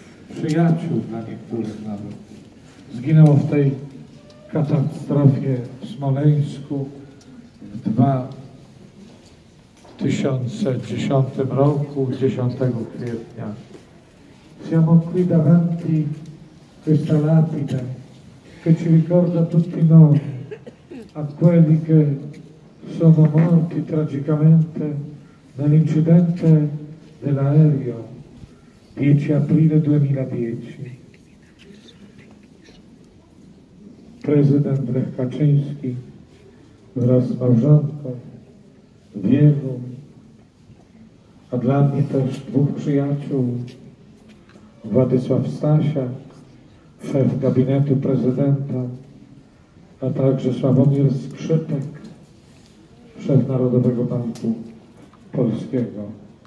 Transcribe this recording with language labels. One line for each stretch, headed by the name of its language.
Polish: przyjaciół, dla niektórych nawet, zginęło w tej katastrofie w Smoleńsku w 2010 roku, 10 kwietnia.
Italian: Siamo qui davanti questa lapide che ci ricorda tutti noi, a quelli che sono morti tragicamente nell'incidente dell'aereo 10 aprile 2010.
Polish: Prezydent Lech Kaczyński wraz z małżonką, Diego, a dla mnie też dwóch przyjaciół, Władysław Stasia, szef gabinetu prezydenta, a także Sławomir Skrzypek, szef Narodowego Banku Polskiego.